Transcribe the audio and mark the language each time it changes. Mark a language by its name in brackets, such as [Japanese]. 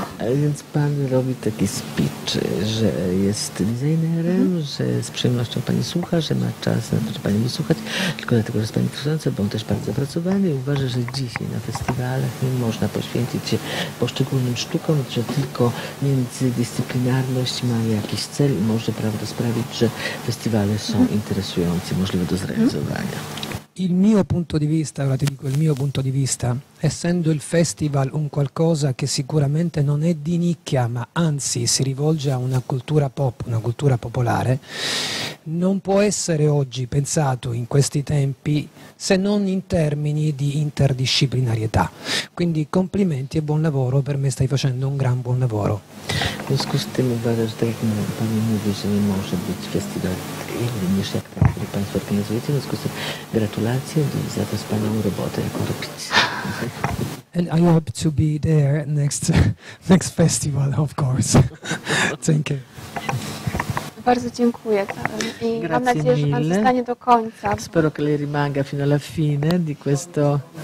[Polish] Więc pan robi taki speech, że jest designerem, że z przyjemnością pani słucha, że ma czas na to, że pani wysłuchać, tylko dlatego, że jest pani interesująca, bo on też bardzo pracowany i uważa, że dzisiaj na festiwalach nie można poświęcić się poszczególnym sztukom, że tylko międzydyscyplinarność ma jakiś cel i może prawda sprawić, że festiwale są interesujące, możliwe do zrealizowania. [Italian] Il mio punto di vista, ora ti dico il mio punto di vista, essendo il festival un qualcosa che sicuramente non è di nicchia, ma anzi si rivolge a una cultura pop, una cultura popolare, non può essere oggi pensato in questi tempi se non in termini di interdisciplinarietà. Quindi complimenti e buon lavoro, per me stai facendo un gran buon lavoro. [English] And I hope to be there next festival, of course. Thank you. [Polish] Bardzo dziękuję. I mam nadzieję, że pan zostanie do końca. [Italian] Spero che lei rimanga fino alla fine di questo.